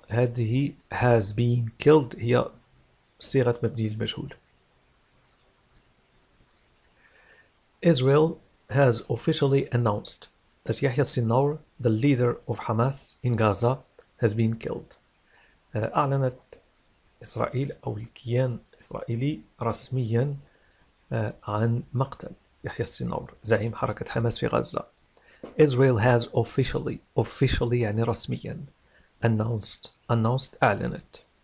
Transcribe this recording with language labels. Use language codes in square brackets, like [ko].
[ar] هذه [en] has been killed [ar] هي صيغة مبني للمجهول. [en] Israel has officially announced that Yahya Sinwar, the leader of Hamas in Gaza, has been killed. [ar] أعلنت إسرائيل أو الكيان الإسرائيلي رسميا عن مقتل يحيى السنور زعيم حركة حماس في غزة. [en] Israel has officially [ar] يعني رسميا [en] announced [ar] أعلنت.